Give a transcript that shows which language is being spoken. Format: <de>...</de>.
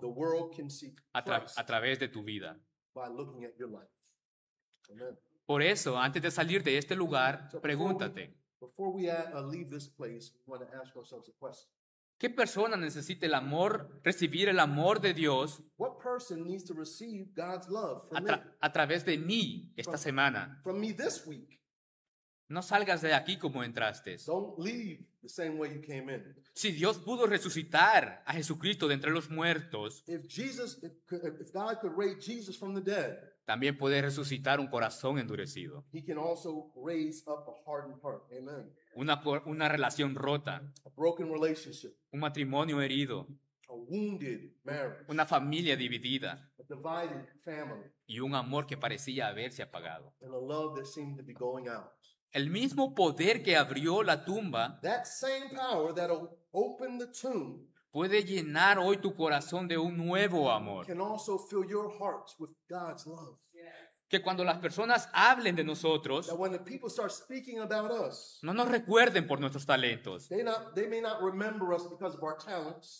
<en>the world can see Christ</en> <es>a través de tu vida.</es> <en>By looking at your life. Amen.</en> <es>Por eso, antes de salir de este lugar, pregúntate.</es> <en>Before we leave this place, we want to ask ourselves a question.</en> <es>¿Qué persona necesita el amor, recibir el amor de Dios?</es> <en>What person needs to receive God's love from</en> <es>a través de mí esta semana?</es> <en>From me this week.</en> <es>No salgas de aquí como entraste.</es> <en>Don't leave the same way you came in.</en> <es>Si Dios pudo resucitar a Jesucristo de entre los muertos,</es> <en>if God could raise Jesus from the dead,</en> <es>también puede resucitar un corazón endurecido.</es> <en>He can also raise up a hardened heart. Amen.</en> <es>Una relación rota.</es> <en>A broken relationship.</en> <es>Un matrimonio herido.</es> <en>A wounded marriage.</en> <es>Una familia dividida.</es> <en>A divided family.</en> <es>Y un amor que parecía haberse apagado.</es> <en>And a love that seemed to be going out.</en> <es>El mismo poder que abrió la tumba,</es> <en>that same power that'll open the tomb,</en> <es>puede llenar hoy tu corazón de un nuevo amor.</es> <en>Can also fill your hearts with God's love.</en> <es>Que cuando las personas hablen de nosotros,</es> <en>that when the people start speaking about us,</en> <es>no nos recuerden por nuestros talentos,</es> <en>they may not remember us because of our talents,</en>